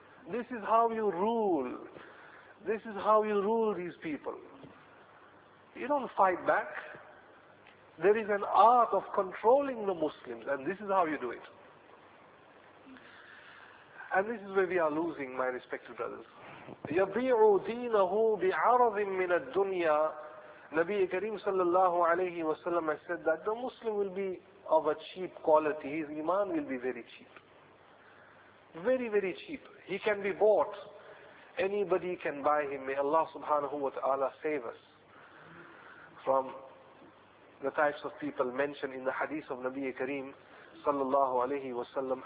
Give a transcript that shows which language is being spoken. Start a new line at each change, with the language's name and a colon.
English: This is how you rule. This is how you rule these people. You don't fight back. There is an art of controlling the Muslims, and this is how you do it. And this is where we are losing, my respected brothers.
Arabic: يبيع دينه بعرض من الدنيا.
English: Nabi Kareem sallallahu alayhi wa sallam has said that the Muslim will be of a cheap quality. His iman will be very cheap. Very, very cheap. He can be bought. Anybody can buy him. May Allah subhanahu wa ta'ala save us from the types of people mentioned in the hadith of Nabi Kareem sallallahu alayhi wa sallam.